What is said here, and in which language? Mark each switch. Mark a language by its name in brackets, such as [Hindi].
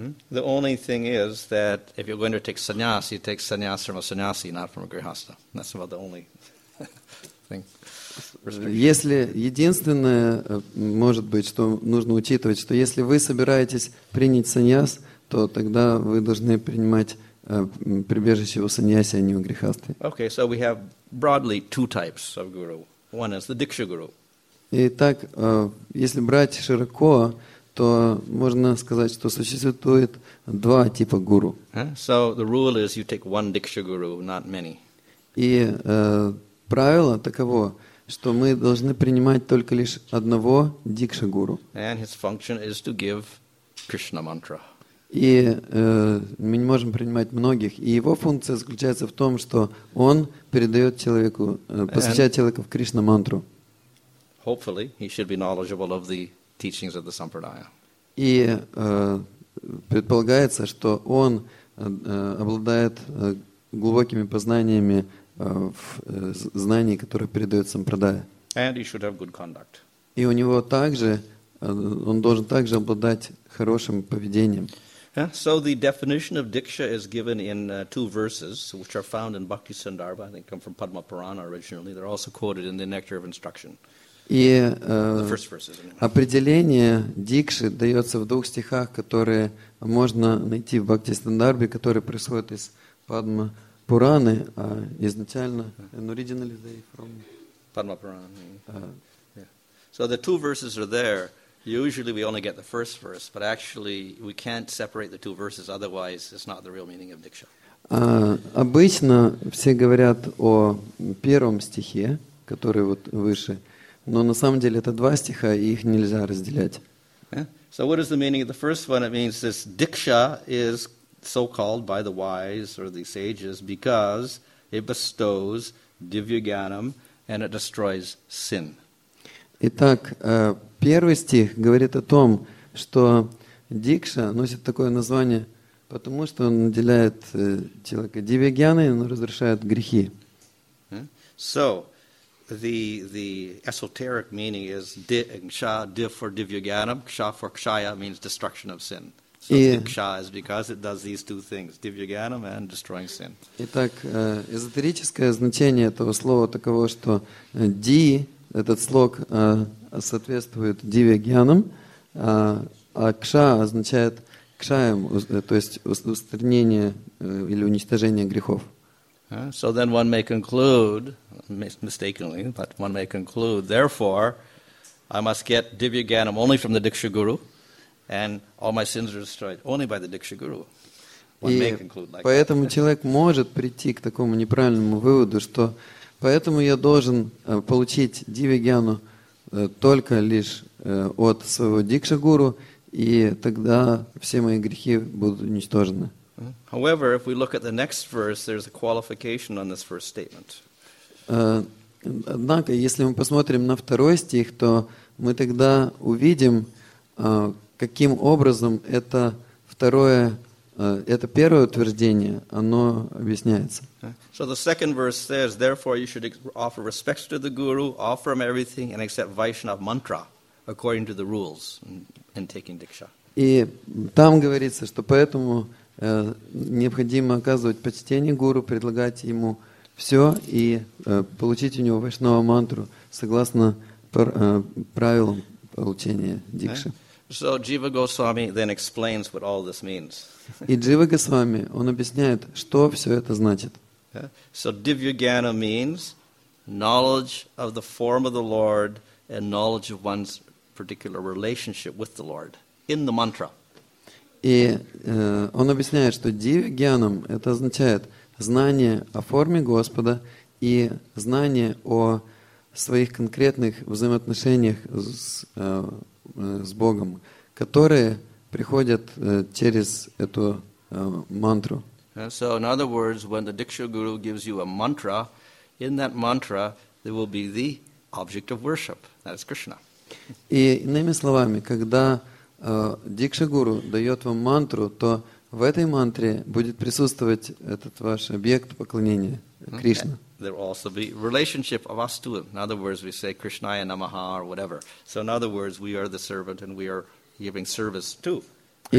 [English] The only thing is that if you're going to take sannyas, you take sannyas from a sannyasi, not from a grihastha. That's about the only thing. [Russian] Если единственное может быть, что нужно учитывать, что если вы собираетесь принять сannyas, то тогда вы должны принимать прибежище у саньяси, а не у грехасты. [English] Okay, so we have broadly two types of guru. One is the diksha guru. [Russian] Итак, если брать широко, то можно сказать, что существует два типа гуру. [English] So the rule is you take one diksha guru, not many. [Russian] И правило таково, что мы должны принимать только лишь одного дикша гуру. [English] And his function is to give Krishna mantra. [Russian] И мы не можем принимать многих. И его функция заключается в том, что он передает человеку, посвящает человека в Кришна мантру. [English] Hopefully, he should be knowledgeable of the teachings of the Sampradaya. [Russian] И предполагается, что он обладает глубокими познаниями в знании, которое передает Сампрадая. [English] And he should have good conduct. [Russian] И у него также, он должен также обладать хорошим поведением. [English] So the definition of diksha is given in two verses, which are found in Bhakti Sandarbha. I think come from Padma Purana originally. They're also quoted in the Nectar of Instruction. [Russian] И определение дикши дается в двух стихах, которые можно найти в Бхакти Сандарбе, которые происходят из Падма Пураны, а изначально [English] originally they from Padma Purana. So the two verses are there. Usually we only get the first verse, but actually we can't separate the two verses, otherwise it's not the real meaning of diksha. [Russian] Обычно все говорят о первом стихе, который вот выше, но на самом деле это два стиха, и их нельзя разделять. [English] So what is the meaning of the first one? It means this diksha is so called by the wise or the sages because it bestows divya gyanam and it destroys sin. [Russian] Итак, первый стих говорит о том, что дикша носит такое название, потому что он наделяет человека дивигьяной, он разрушает грехи. [English] So, the esoteric meaning is ksha, div for divyagyanam, ksha for kshaya means destruction of sin. So ksha is because it does these two things, divyagyanam and destroying sin. [Russian] Итак, эзотерическое значение этого слова таково, что ди, этот слог, соответствует дивигьянам, а кша означает кшаем, то есть устранение или уничтожение грехов. [English] So then one may conclude, mistakenly, but one may conclude, therefore, I must get divyagyanam only from the Diksha Guru, and all my sins are destroyed only by the Diksha Guru. [Russian] И поэтому человек может прийти к такому неправильному выводу, что поэтому я должен получить дивигьяну только лишь от своего Дикша Гуру, и тогда все мои грехи будут уничтожены. [English] However, if we look at the next verse, there's a qualification on this first statement. [Russian] Однако, если мы посмотрим на второй стих, то мы тогда увидим, каким образом это второе, это первое утверждение, оно объясняется. [English] So the second verse says, therefore you should offer respects to the Guru, offer him everything and accept Vaishnava mantra according to the rules in taking Diksha. [Russian] И там говорится, что поэтому необходимо оказывать почтение Гуру, предлагать ему все и получить у него Вайшнава мантру согласно правилам получения Дикши. [English] So Jiva Goswami then explains what all this means. [Russian] И Джива Госвами, он объясняет, что все это значит. [English] So Divyagyana means knowledge of the form of the Lord and knowledge of one's particular relationship with the Lord in the mantra. [Russian] И он объясняет, что Дивигьянам это означает знание о форме Господа и знание о своих конкретных взаимоотношениях с Богом, которые приходят через эту мантру. [English] So, in other words, when the Diksha Guru gives you a mantra, in that mantra there will be the object of worship. That is Krishna. [Russian] И иными словами, когда Дикша Гуру дает вам мантру, то в этой мантре будет присутствовать этот ваш объект поклонения, Кришна. [English] There will also be relationship of us to him. In other words, we say Krishnaya Namaha or whatever. So in other words, we are the servant and we are giving service to Krishna.